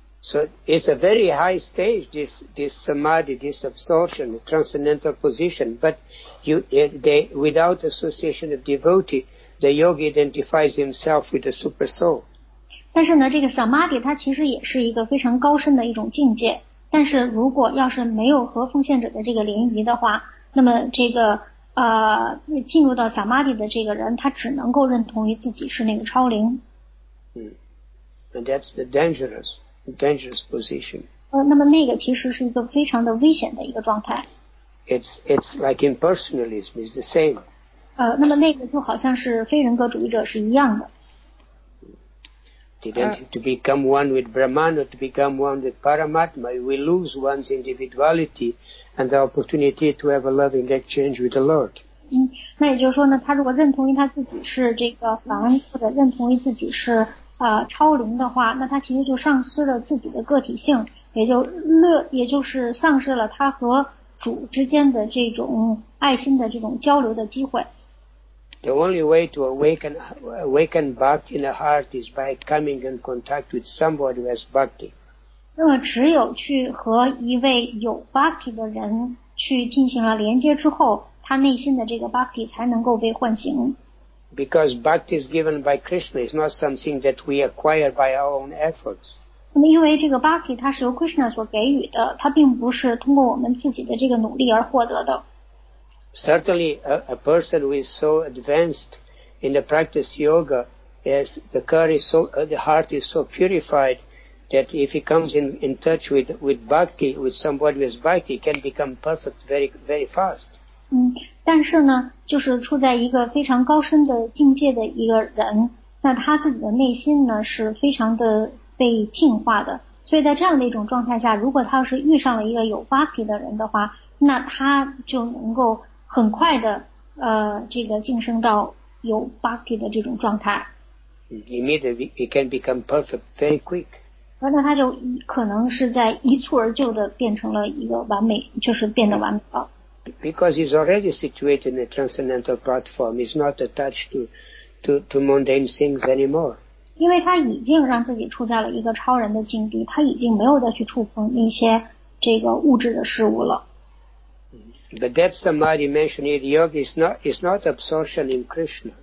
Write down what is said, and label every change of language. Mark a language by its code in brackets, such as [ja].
[en] So it's a very high stage, this samadhi, this absorption, transcendental position, but without association of devotee, the yogi identifies himself with the super soul. [zh] 但是呢，这个 samadhi 它其实也是一个非常高深的一种境界。但是如果要是没有和奉献者的这个联谊的话，那么这个进入到 samadhi 的这个人，他只能够认同于自己是那个超灵。 [en] 嗯 ，and that's the dangerous position. [zh] 那么那个其实是一个非常的危险的一个状态。 [en] It's like impersonalism is the same. [zh] 那么那个就好像是非人格主义者是一样的。 [en] To become one with Brahman or to become one with Paramatma, we lose one's individuality and the opportunity to have a loving exchange with the Lord. [zh] 那也就是说呢，他如果认同于他自己是这个凡，或者认同于自己是超灵的话，那他其实就丧失了自己的个体性，也就是丧失了他和主之间的这种爱心的这种交流的机会。 [en] The only way to awaken bhakti in the heart is by coming in contact with somebody who has bhakti. [zh] 那么只有去和一位有 bhakti 的人去进行了连接之后，他内心的这个 bhakti 才能够被唤醒。 [en] Because bhakti is given by Krishna, it's not something that we acquire by our own efforts. [zh] 那么因为这个 bhakti 它是由 Krishna 所给予的，它并不是通过我们自己的这个努力而获得的。 [en] Certainly, a person who is so advanced in the practice yoga, as the core is so, the heart is so purified, that if he comes in touch with bhakti, with somebody with bhakti, can become perfect very, very fast. [zh] 但是呢，就是处在一个非常高深的境界的一个人，那他自己的内心呢是非常的被净化的。所以在这样的一种状态下，如果他要是遇上了一个有 bhakti 的人的话，那他就能够。很快的这个晋升到有 bhakti 的这种状态。 [en] Immediately, it can become perfect very quick. [zh] 那他就可能是在一蹴而就的变成了一个完美，就是变得完美了。 [en] Because he's already situated in a transcendental platform, he's not attached to mundane things anymore. [zh] 因为他已经让自己处在了一个超人的境地，他已经没有再去触碰一些这个物质的事物了。 [en] But that samadhi mentioned here, yoga is not absorption in Krishna.